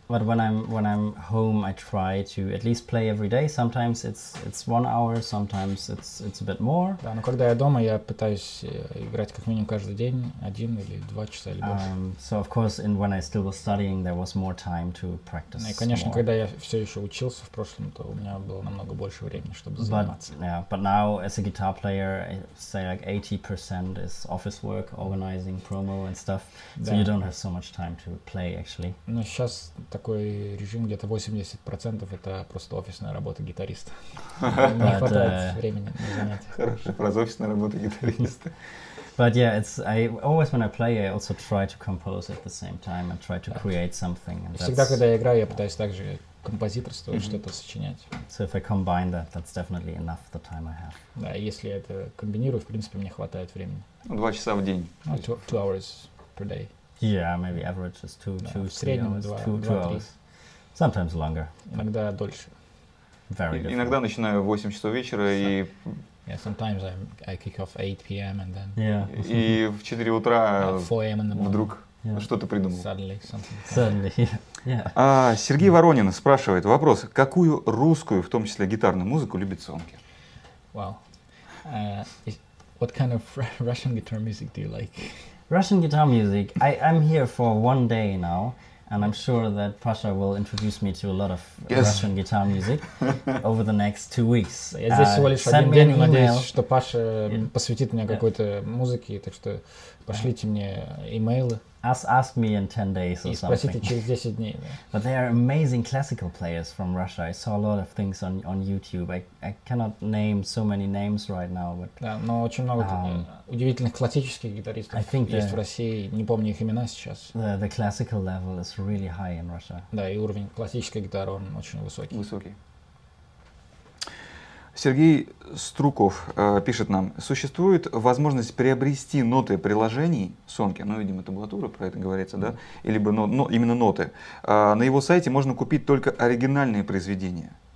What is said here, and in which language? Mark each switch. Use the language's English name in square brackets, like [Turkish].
[English] But when I'm home, I try to at least play every day. Sometimes it's 1 hour, sometimes it's a bit more. [Russian] Да, но когда я дома, я пытаюсь играть как минимум каждый день, один или два часа или больше. [English] So of course, and when I still was studying, there was more time to practice. [Russian] И, конечно, [English] more. [Russian] Когда я все еще учился в прошлом, то у меня было намного больше времени, чтобы заниматься. [English] But now, as a guitar player, say like 80% is office work, organizing, promo and stuff. So you don't have so much time to play. [Russian] Но сейчас такой режим, где-то 80% это просто офисная работа гитариста. Не хватает времени на занятия. Хорошая фраза, офисная работа гитариста. [English] But yeah, it's I always when I play, I also try to compose at the same time and try to create something. [Russian] Всегда, когда я играю, я пытаюсь также композиторствовать, что-то сочинять. [English] So if I combine that, that's definitely enough the time I have. [Russian] Да, если я это комбинирую, в принципе, мне хватает времени. Ну, 2 часа в день. [English] Two hours per day. Yeah, maybe average is two hours. Sometimes longer. [Russian] Иногда дольше. [English] Very good. [Russian] Иногда начинаю в 8 часов вечера и... [English] Yeah, sometimes I kick off 8 p.m. and then... Yeah. [Russian] И в 4 утра вдруг что-то придумал. [English] Suddenly, something. Suddenly, yeah. А [Russian] Сергей Воронин спрашивает вопрос. Какую русскую, в том числе гитарную музыку, любит Сонке? [English] Well, what kind of Russian guitar music do you like? Russian guitar music. I'm here for one day now, and I'm sure that Pasha will introduce me to a lot of Russian guitar music over the next 2 weeks. [Russian] Здесь всего лишь один день, надеюсь, что Паша посвятит мне какой-то музыке, так что пошлите мне имейлы. [English] Ask me in 10 days or something. [Russian] И спросите через 10 дней. [English] But they are amazing classical players from Russia. I saw a lot of things on YouTube. I cannot name so many names right now. But, [Russian] да, но очень много удивительных классических гитаристов [English] I think [Russian] есть в России. Не помню их имена сейчас. [English] The classical level is really high in Russia. [Russian] Да, и уровень классической гитары, он очень высокий. Сергей Струков пишет нам, существует возможность приобрести ноты приложений Сонке, ну, видимо, табулатура, про это говорится, да, или именно ноты. На его сайте можно купить только оригинальные произведения.